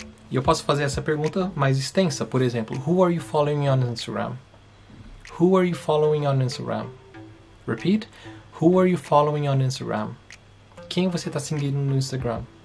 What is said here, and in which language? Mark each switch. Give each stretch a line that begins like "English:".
Portuguese: E eu posso fazer essa pergunta mais extensa. Por exemplo,
English: who are you following on Instagram? Who are you following on Instagram? Repeat. Who are you following on Instagram?
Portuguese: Quem você está seguindo no Instagram?